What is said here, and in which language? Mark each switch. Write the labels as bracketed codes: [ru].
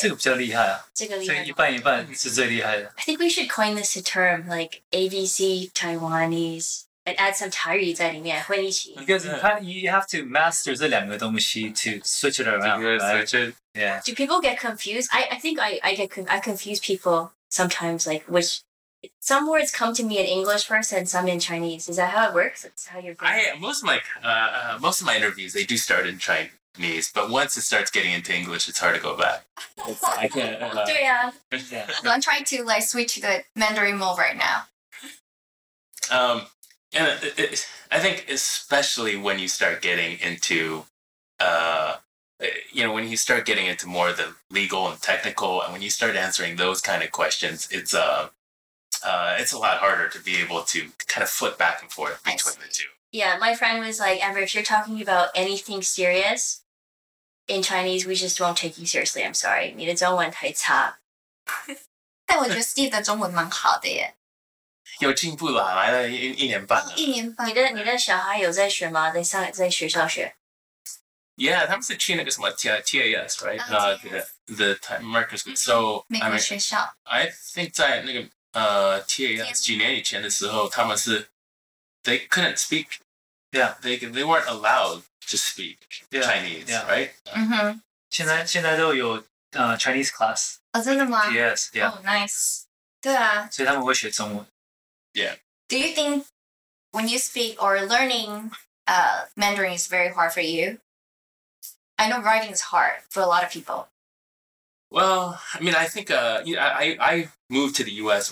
[zh] 这个比较厉害啊。这个厉害。所以一半一半是最厉害的。 [en] I think we should coin this a term, like ABC Taiwanese, and add some [zh] 台语在里面,会一起。 [en] Because you have to master [zh] 这两个东西 [en] to switch it around, right? Yeah. Do people get confused? I think I confuse people sometimes, like which... Some words come to me in English first and some in Chinese. Is that how it works? That's how you're going? Most of my interviews, they do start in Chinese. But once it starts getting into English, it's hard to go back. I can't. Yeah. I'm trying to like switch to the Mandarin mode right now. I think especially when you start getting into... you know, when you start getting into more of the legal and technical, and when you start answering those kind of questions, it's a lot harder to be able to kind of flip back and forth between the two. Yeah, my friend was like, Amber, if you're talking about anything serious in Chinese, we just won't take you seriously. I'm sorry. [zh] 你的中文太差。但我觉得Steve的中文蛮好的耶。有进步啦，来了一年半。一年半。你的小孩有在学吗？在上在学校学。 [en] Yeah, [zh] 他们是去那个什么 [en] TAS, right? The American school. So, [zh] 美国学校。 [en] I think [zh] 在那个 TAS 几年以前的时候，他们是 [en] they couldn't speak. Yeah, they weren't allowed to speak Chinese, right? Mm-hmm. [zh] 现在都有 [en] Chinese class. Oh, [zh] 真的吗? [en] Yes. Yeah. Oh, nice. [zh] 对啊。所以他们会学中文。 [en] Yeah. Do you think when you speak or learning Mandarin is very hard for you? I know writing is hard for a lot of people. Well, I mean, I think I moved to the U.S.